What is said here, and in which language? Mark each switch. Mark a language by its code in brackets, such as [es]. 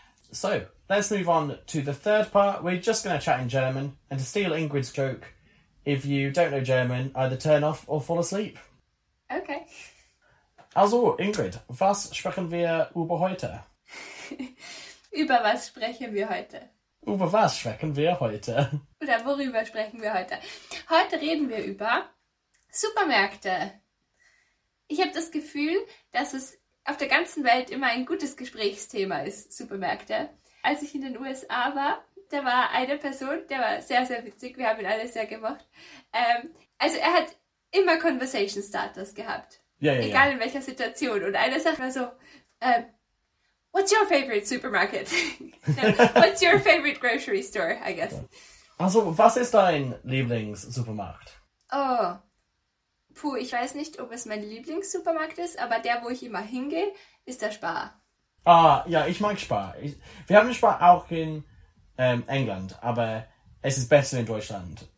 [en] So, let's move on to the third part. We're just going to chat in German. And to steal Ingrid's joke, if you don't know German, either turn off or fall asleep. Okay. [de] Also, Ingrid, was sprechen wir über heute? Über was sprechen wir heute? Über was sprechen wir heute? Oder worüber sprechen wir heute? Heute reden wir über Supermärkte. Ich habe das Gefühl, dass es auf der ganzen Welt immer ein gutes Gesprächsthema ist, Supermärkte. Als ich in den USA war, da war eine Person, der war sehr, sehr witzig, wir haben ihn alle sehr gemocht. Also er hat immer Conversation Starters gehabt. Egal. In welcher Situation. Und eine Sache war so, [en] what's your favorite supermarket? What's your favorite grocery store, I guess. [de] Also, was ist dein Lieblingssupermarkt? Oh, puh, ich weiß nicht, ob es mein Lieblingssupermarkt ist, aber der, wo ich immer hingehe, ist der Spar. Ah, ja, ich mag Spar. Wir haben Spar auch in England, aber es ist besser in Deutschland.